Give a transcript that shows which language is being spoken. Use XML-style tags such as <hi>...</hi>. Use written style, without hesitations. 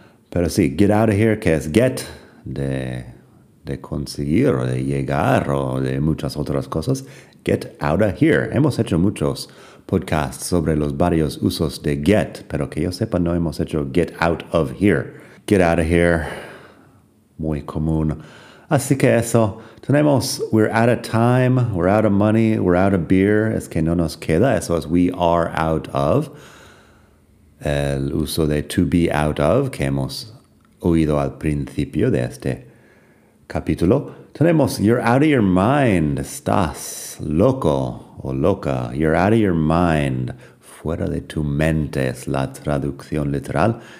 <es>Pero sí,</es> <en>get out of here,</en> <es>que es get, de conseguir o de llegar o de muchas otras cosas.</es> <en>Get out of here.</en> <es>Hemos hecho muchos podcasts sobre los varios usos de get, pero que yo sepa no hemos hecho</es> <en>get out of here. Get out of here.</en> <es>Muy común. Así que eso. Tenemos</es> <en>we're out of time, we're out of money, we're out of beer.</en> <es>Es que no nos queda. Eso es we are out of. El uso de to be out of, que hemos oído al principio de este capítulo. Tenemos,</es> <en>you're out of your mind,</en> <es>estás loco o loca.</es> <en>You're out of your mind,</en> <es>fuera de tu mente, es la traducción literal.</es>